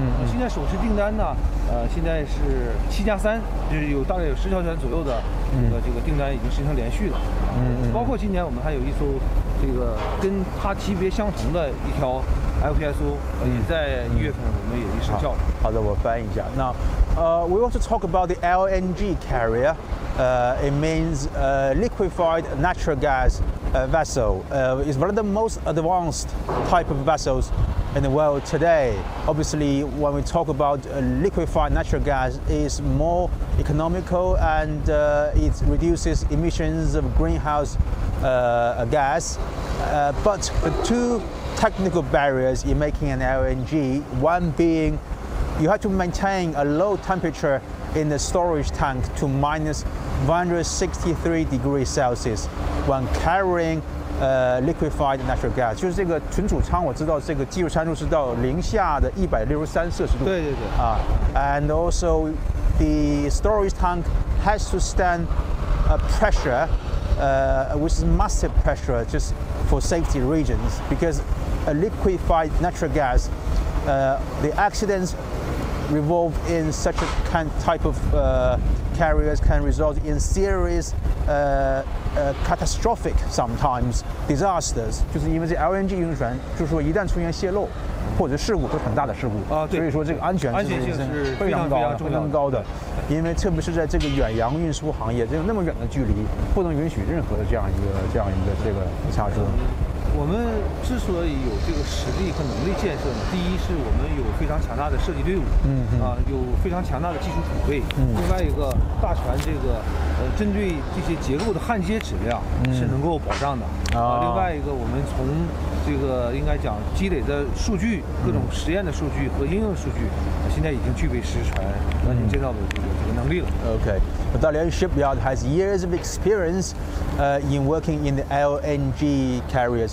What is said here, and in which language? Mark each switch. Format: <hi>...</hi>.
<zh>现在首次订单呢，现在是7+3，就是有大概有10条船左右的这个订单已经形成连续了。包括今年我们还有一艘这个跟它级别相同的一条 FPSO 也在1月份我们也已生效了。好的，我翻译一下。</zh> <en>那we want to talk about the LNG carrier. It means liquefied natural gas vessel. It's one of the most advanced type of vessels in the world today. Obviously, when we talk about liquefied natural gas, it's more economical and it reduces emissions of greenhouse gas. But the two technical barriers in making an LNG, one being you have to maintain a low temperature in the storage tank to -163°C when carrying liquefied natural gas.</en> <zh>就是这个存储舱，我知道这个技术参数是到-163°C。对对对。</zh> <en>And also the storage tank has to stand a pressure, which is massive pressure just for safety reasons, because a liquefied natural gas, the accidents revolve in such a kind type of carriers can result in serious catastrophic sometimes disasters.</en> <zh>就是因为这 LNG 运输船，就是说一旦出现泄漏或者事故，都很大的事故啊。对，所以说这个安全性是非常高的，非常高的。因为特别是在这个远洋运输行业，这个那么远的距离，不能允许任何的这样一个这个差池。我们之所以有这个实力和能力建设呢，第一是我们有非常强大的设计队伍，有非常强大的技术储备，另外一个大船这个针对这些结构的焊接质量是能够保障的，另外一个我们从这个应该讲积累的数据，各种实验的数据和应用数据，现在已经具备实船完全建造的这个能力了。</zh> <en>OK, the Dalian shipyard has years of experience in working in the LNG carriers.</en>